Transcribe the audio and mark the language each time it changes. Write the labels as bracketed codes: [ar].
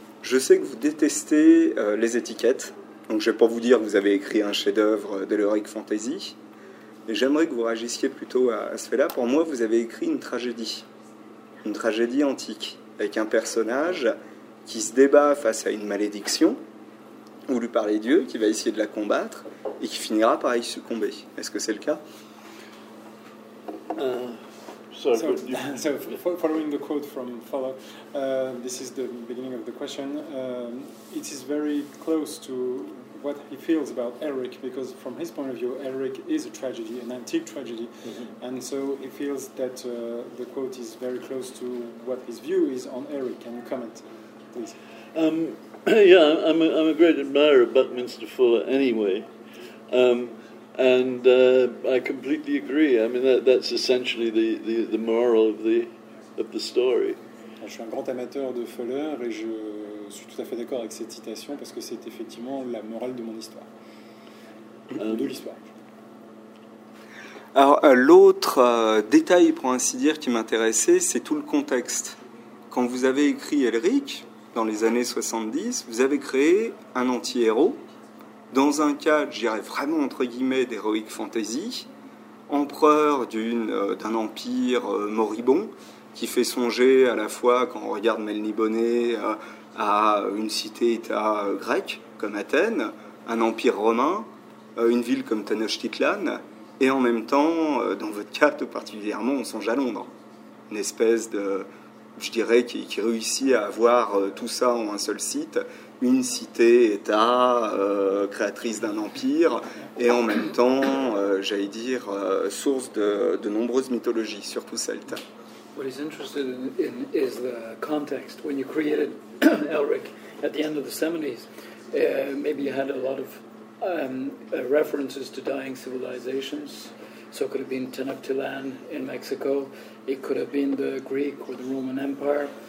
[fr] Je sais que vous détestez les étiquettes, donc je ne vais pas vous dire que vous avez écrit un chef-d'œuvre d'Elric Fantasy, mais j'aimerais que vous réagissiez plutôt à ce fait-là. Pour moi, vous avez écrit une tragédie. Une tragédie antique, avec un personnage qui se débat face à une malédiction, ou lui parler Dieu, qui va essayer de la combattre, et qui finira par y succomber. Est-ce que c'est le cas? [en] Following the quote from Fuller, this is the beginning of the question. It is very close to what he feels about Elric, because from his point of view, Elric is a tragedy, an antique tragedy, mm-hmm. and so he feels that the quote is very close to what his view is on Elric. Can you comment, please? Yeah, I'm a great admirer of Buckminster Fuller anyway. I completely agree. I mean, that's essentially the moral of the story. [fr] Je suis un grand amateur de Fuller et je suis tout à fait d'accord avec cette citation parce que c'est effectivement la morale de mon histoire. De l'histoire. Alors, l'autre détail, pour ainsi dire, qui m'intéressait, c'est tout le contexte. Quand vous avez écrit Elric, dans les années 70, vous avez créé un anti-héros dans un cadre, je dirais vraiment entre guillemets, d'Heroic Fantasy, empereur d'un empire moribond, qui fait songer à la fois, quand on regarde Manly Bonnet, à une cité-état grecque, comme Athènes, un empire romain, une ville comme Tenochtitlan, et en même temps, dans votre cas tout particulièrement, on songe à Londres. Une espèce de, je dirais, qui réussit à avoir tout ça en un seul site, une cité-état créatrice d'un empire et en même temps, j'allais dire, source de nombreuses mythologies, surtout celtes. [en] What he's interested in is the context. When you created Elric at the end of the 70s, maybe you had a lot of references to dying civilizations. So it could have been Tenochtitlan in Mexico. It could have been the Greek or the Roman Empire.